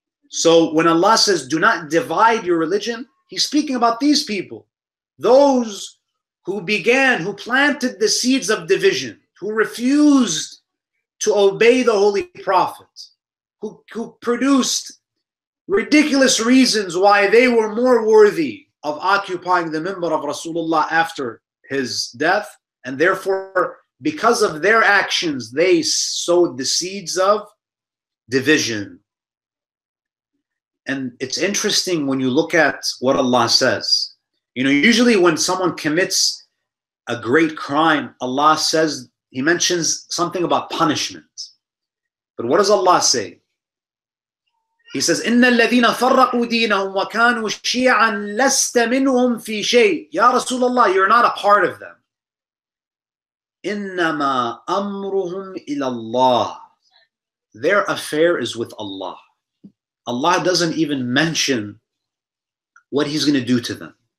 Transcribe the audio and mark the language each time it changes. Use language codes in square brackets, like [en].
[en] So when Allah says, do not divide your religion, He's speaking about these people, those who began, who planted the seeds of division, who refused to obey the Holy Prophet, who produced ridiculous reasons why they were more worthy of occupying the minbar of Rasulullah after his death, and therefore, because of their actions, they sowed the seeds of division. And it's interesting when you look at what Allah says. You know, usually when someone commits a great crime, Allah says, He mentions something about punishment. But what does Allah say? [ar] He says, إِنَّ الَّذِينَ فَرَّقُوا دِينَهُمْ وَكَانُوا شِيعًا لَسْتَ مِنْهُمْ فِي شَيْءٍ يَا رَسُولَ اللَّهِ, [en] you're not a part of them. [ar] إِنَّمَا أَمْرُهُمْ إِلَى اللَّهِ, [en] their affair is with Allah. Allah doesn't even mention what He's going to do to them.